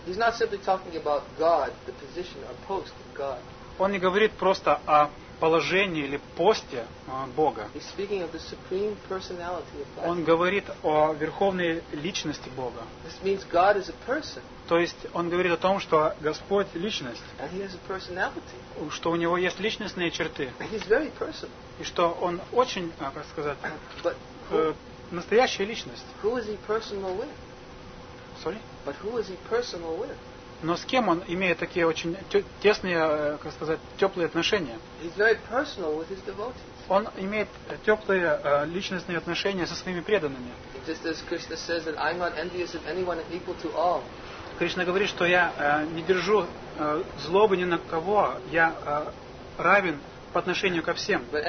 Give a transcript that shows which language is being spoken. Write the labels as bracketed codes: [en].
[en] He's not simply talking about God, the position or post of God. [ru] Он не говорит просто о положении или посте Бога. [en] He's speaking of the supreme personality of God. [ru] Он говорит о верховной личности Бога. [en] This means God is a person. [ru] То есть он говорит о том, что Господь личность. [en] And he has a personality. [ru] Что у него есть личностные черты. [en] He's very personal. [ru] И что он очень, как сказать, [en] but who, [ru] настоящая личность. [en] Who is he personal with? Sorry? But who is he personal with? [ru] Но с кем он имеет такие очень тесные, как сказать, теплые отношения? [en] He's very personal with his devotees. [ru] Он имеет теплые личностные отношения со своими преданными. [en] Just as Krishna says that I'm not envious of anyone and equal to all. [ru] Кришна говорит, что я не держу злобы ни на кого, я равен по отношению ко всем.